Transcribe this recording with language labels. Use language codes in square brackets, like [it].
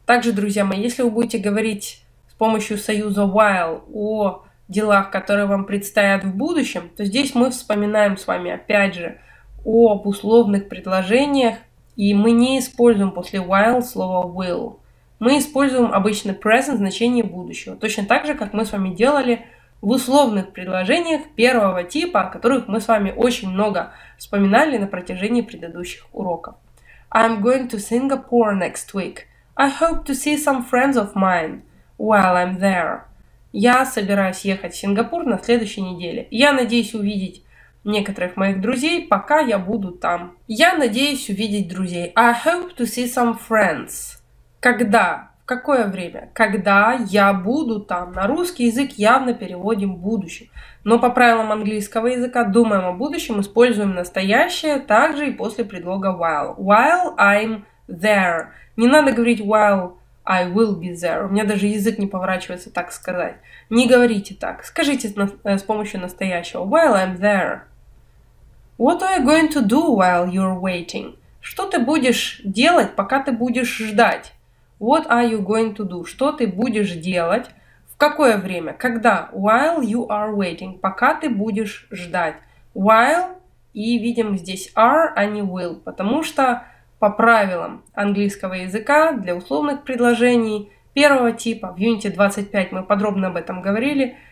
[ru] Также, друзья мои, если вы будете говорить с помощью союза while о делах, которые вам предстоят в будущем, то здесь мы вспоминаем с вами, опять же, об условных предложениях, и мы не используем после while слово will. Мы используем обычно present в значении будущего. Точно так же, как мы с вами делали в условных предложениях первого типа, о которых мы с вами очень много вспоминали на протяжении предыдущих уроков. [en] I'm going to Singapore next week. I hope to see some friends of mine while I'm there. [ru] Я собираюсь ехать в Сингапур на следующей неделе. Я надеюсь увидеть некоторых моих друзей, пока я буду там. Я надеюсь увидеть друзей. [en] I hope to see some friends. [ru] Когда? В какое время? Когда я буду там. На русский язык явно переводим будущее. Но по правилам английского языка думаем о будущем, используем настоящее, также и после предлога while. [en] While I'm there. [ru] Не надо говорить [en] while I will be there. [ru] У меня даже язык не поворачивается так сказать. Не говорите так. Скажите с помощью настоящего. [en] While I'm there. What are you going to do while you're waiting? [ru] Что ты будешь делать, пока ты будешь ждать? [en] What are you going to do? [ru] Что ты будешь делать? В какое время? Когда? [en] While you are waiting. [ru] Пока ты будешь ждать. [en] While. [ru] И видим здесь are, а не will. Потому что по правилам английского языка для условных предложений первого типа в Unity 25 мы подробно об этом говорили.